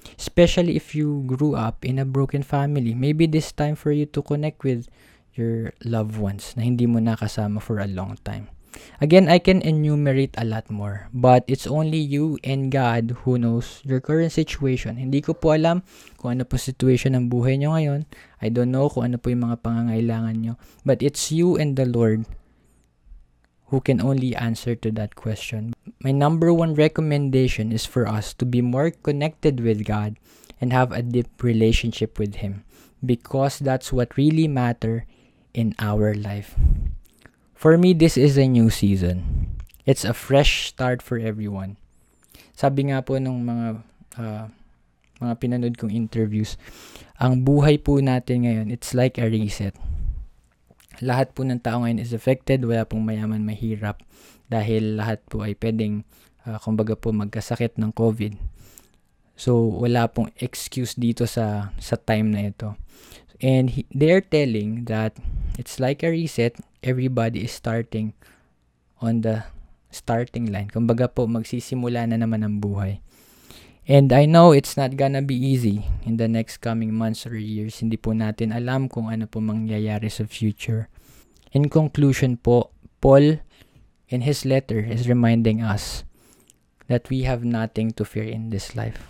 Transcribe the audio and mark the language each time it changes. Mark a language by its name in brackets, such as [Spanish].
[English] Especially if you grew up in a broken family. Maybe this time for you to connect with your loved ones [Filipino] na hindi mo nakasama [English] for a long time. Again, I can enumerate a lot more. But it's only you and God who knows your current situation. [Filipino] Hindi ko po alam kung ano po situation ng buhay nyo ngayon. [English] I don't know [Filipino] kung ano po yung mga pangangailangan nyo. [English] But it's you and the Lord who can only answer to that question. My number one recommendation is for us to be more connected with God and have a deep relationship with Him. Because that's what really matters in our life. For me, this is a new season. It's a fresh start for everyone. [Filipino] Sabi nga po nung mga pinanood kong interviews, ang buhay po natin ngayon, [English] it's like a reset. [Filipino] Lahat po ng tao ngayon [English] is affected, [Filipino] wala pong mayaman, mahirap. Dahil lahat po ay pwedeng, kumbaga po, magkasakit ng COVID. So, wala pong excuse dito sa time na ito. [English] And they're telling that it's like a reset. Everybody is starting on the starting line. [Filipino] Kumbaga po, magsisimula na naman ang buhay. [English] And I know it's not gonna be easy in the next coming months or years. [Filipino] Hindi po natin alam kung ano po mangyayari sa future. [English] In conclusion po, Paul in his letter is reminding us that we have nothing to fear in this life.